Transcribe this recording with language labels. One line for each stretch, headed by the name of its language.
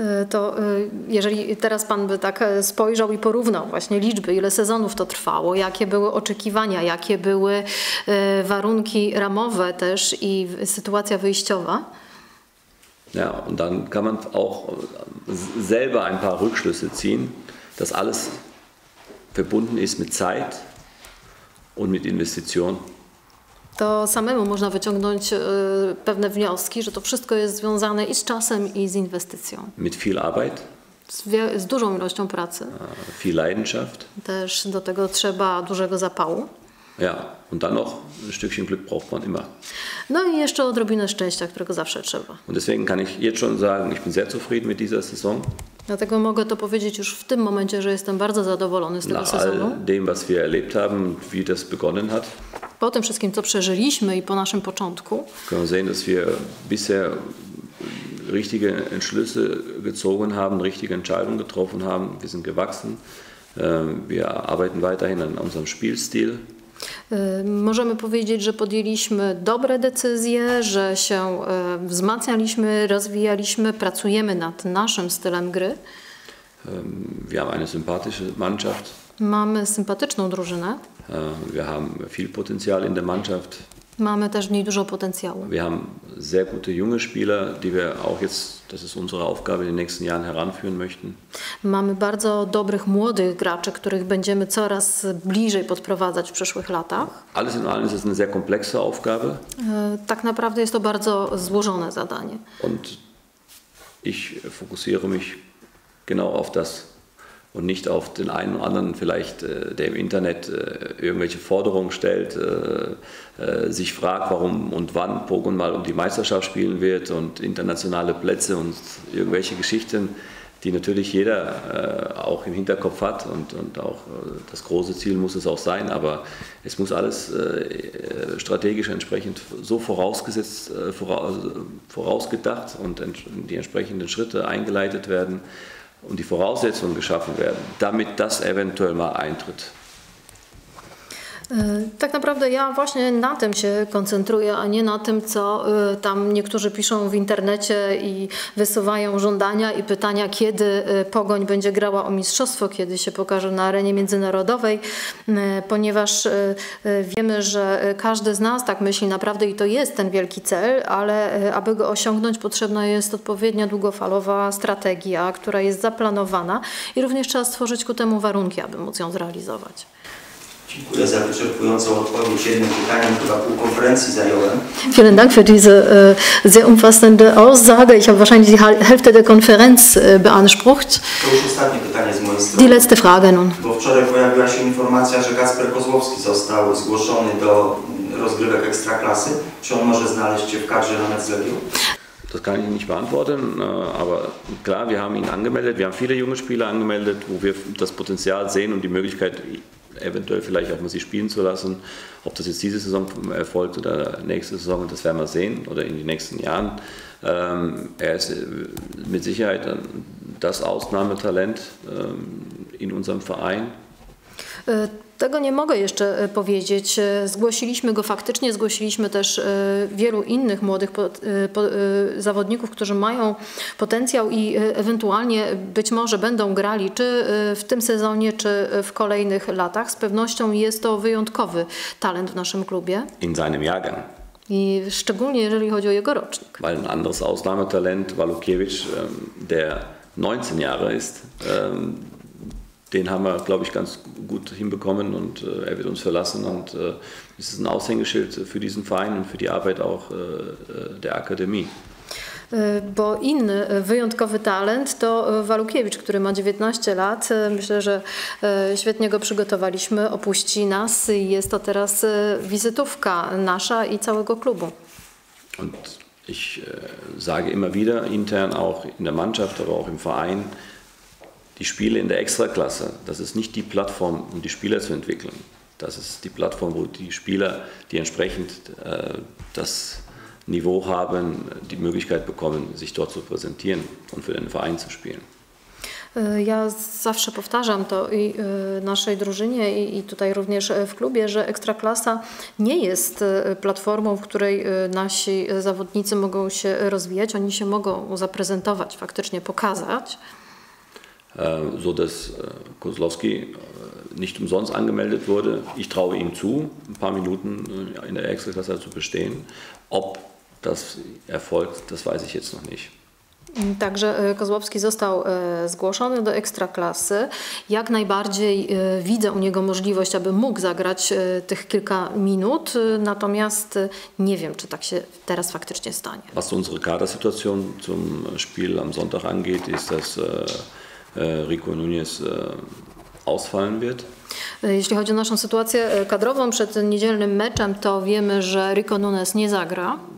Polish: To jeżeli teraz pan by tak spojrzał i porównał właśnie liczby, ile sezonów to trwało, jakie były oczekiwania, jakie były warunki ramowe też i sytuacja wyjściowa.
German: Ja, und dann kann man auch selber ein paar Rückschlüsse ziehen, dass alles verbunden ist mit Zeit und mit Investition.
Polish: To samemu można wyciągnąć pewne wnioski, że to wszystko jest związane i z czasem, i z inwestycją.
German: Mit viel Arbeit.
Polish: Z dużą ilością pracy.
German: Viel Leidenschaft.
Polish: Też do tego trzeba dużego zapału.
German: Ja, und dann noch ein Stückchen Glück braucht man immer.
Polish: No i jeszcze odrobinę szczęścia, którego zawsze trzeba.
German: Und deswegen kann ich jetzt schon sagen, ich bin sehr zufrieden mit dieser Saison.
Polish: Dlatego mogę to powiedzieć już w tym momencie, że jestem bardzo zadowolony z tego sezonu.
German: Nach all dem, was wir erlebt haben, wie das begonnen hat.
Polish: Po tym wszystkim, co przeżyliśmy i po naszym początku.
German: Können sehen, dass wir bisher richtige Entschlüsse gezogen haben, richtige Entscheidungen getroffen haben. Wir sind gewachsen. Wir arbeiten weiterhin an unserem Spielstil.
Polish: Możemy powiedzieć, że podjęliśmy dobre decyzje, że się wzmacnialiśmy, rozwijaliśmy, pracujemy nad naszym stylem gry.
German: Wir haben eine sympathische Mannschaft.
Polish: Mamy sympatyczną drużynę.
German: Wir haben viel Potenzial in der Mannschaft.
Polish: Mamy też w niej dużo potencjału.
German: Wir haben sehr gute junge Spieler, die wir auch jetzt, das ist unsere Aufgabe, in den nächsten Jahren heranführen möchten.
Polish: Mamy bardzo dobrych młodych graczy, których będziemy coraz bliżej podprowadzać w przyszłych latach.
German: Alles in allem ist es eine sehr komplexe Aufgabe.
Polish: Tak naprawdę jest to bardzo złożone zadanie.
German: Und ich fokussiere mich genau auf das und nicht auf den einen oder anderen vielleicht, der im Internet irgendwelche Forderungen stellt, sich fragt, warum und wann Pogon mal um die Meisterschaft spielen wird und internationale Plätze und irgendwelche Geschichten, die natürlich jeder auch im Hinterkopf hat und auch das große Ziel muss es auch sein, aber es muss alles strategisch entsprechend so vorausgesetzt, vorausgedacht und die entsprechenden Schritte eingeleitet werden, und die Voraussetzungen geschaffen werden, damit das eventuell mal eintritt.
Polish: Tak naprawdę ja właśnie na tym się koncentruję, a nie na tym, co tam niektórzy piszą w internecie i wysuwają żądania i pytania, kiedy Pogoń będzie grała o mistrzostwo, kiedy się pokaże na arenie międzynarodowej, ponieważ wiemy, że każdy z nas tak myśli naprawdę i to jest ten wielki cel, ale aby go osiągnąć, potrzebna jest odpowiednia długofalowa strategia, która jest zaplanowana i również trzeba stworzyć ku temu warunki, aby móc ją zrealizować. Dziękuję za wyczerpującą odpowiedź. Jednym pytaniem chyba pół konferencji zająłem.
German: Vielen Dank für diese sehr umfassende Aussage. Ich habe wahrscheinlich die Hälfte der Konferenz beansprucht.
Polish: To już ostatnie pytanie z mojej strony.
German: Die letzte Frage nun.
Polish: Bo wczoraj pojawiła się informacja, że Kacper Kozłowski został zgłoszony do rozgrywek Ekstraklasy. Czy on może znaleźć się w kadrze na Metzlebiu?
German: Das kann ich nicht beantworten, aber klar, wir haben ihn angemeldet. Wir haben viele junge Spieler angemeldet, wo wir das Potenzial sehen und die Möglichkeit, eventuell vielleicht auch mal sie spielen zu lassen. Ob das jetzt diese Saison erfolgt oder nächste Saison, das werden wir sehen oder in den nächsten Jahren. Er ist mit Sicherheit das Ausnahmetalent in unserem Verein.
Polish: Tego nie mogę jeszcze powiedzieć. Zgłosiliśmy go faktycznie, zgłosiliśmy też wielu innych młodych zawodników, którzy mają potencjał i ewentualnie być może będą grali, czy w tym sezonie, czy w kolejnych latach. Z pewnością jest to wyjątkowy talent w naszym klubie.
German: In seinem Jahrgang.
Polish: I szczególnie jeżeli chodzi o jego rocznik.
German: Weil ein anderes Ausnahmetalent, Walukiewicz, der 19 Jahre ist, den haben wir, glaube ich, ganz gut hinbekommen und er wird uns verlassen und es ist ein Aushängeschild für diesen Verein und für die Arbeit auch der Akademie.
Polish: Bo inny wyjątkowy talent to Walukiewicz, który ma 19 lat. Myślę, że świetnie go przygotowaliśmy, opuści nas i jest to teraz wizytówka nasza i całego klubu.
German: Und ich sage immer wieder intern auch in der Mannschaft, aber auch im Verein, die Spiele in der Extraklasse, das ist nicht die Plattform, um die Spieler zu entwickeln. Das ist die Plattform, wo die Spieler, die entsprechend das Niveau haben, die Möglichkeit bekommen, sich dort zu präsentieren und für den Verein zu spielen.
Polish: Ja zawsze powtarzam to i naszej drużynie i tutaj również w klubie, że Ekstraklasa nie jest platformą, w której nasi zawodnicy mogą się rozwijać. Oni się mogą zaprezentować, faktycznie pokazać.
German: So dass Kozłowski nicht umsonst angemeldet wurde. Ich traue ihm zu, ein paar Minuten in der Extraklasse zu bestehen. Ob das erfolgt, das weiß ich jetzt noch nicht.
Polish: Także Kozłowski został zgłoszony do Ekstraklasy. Jak najbardziej widzę u niego możliwość, aby mógł zagrać tych kilka minut, natomiast nie wiem, czy tak się teraz faktycznie stanie.
German: Was unsere Kadersituation zum Spiel am Sonntag angeht, ist das Rico Nunes ausfallen wird.
Polish: Jeśli chodzi o naszą sytuację kadrową przed niedzielnym meczem, to wiemy, że Rico Nunes nie zagra.